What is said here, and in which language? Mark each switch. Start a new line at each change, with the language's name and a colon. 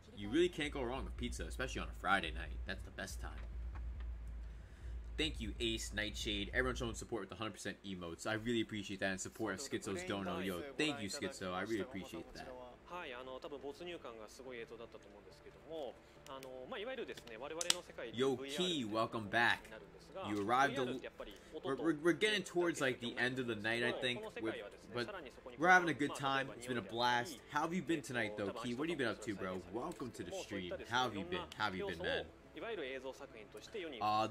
English: You really can't go wrong with pizza, especially on a Friday night. That's the best time. Thank you, Ace, Nightshade. Everyone showing support with 100% emotes. I really appreciate that. And support of Schizo's dono. Yo, thank you, Schizo. I really appreciate that.
Japanese: はい、多分没入感がすごい映像だったと思うんですけども、まあ、いわゆるですね、我々の世界で VR になるんですが、
English: You arrived a we're getting towards like the end of the night, I think. But we're having a good time. It's been a blast. How have you been tonight, though, Key? What have you been up to, bro? Welcome to the stream. How have you been? How have you been, man?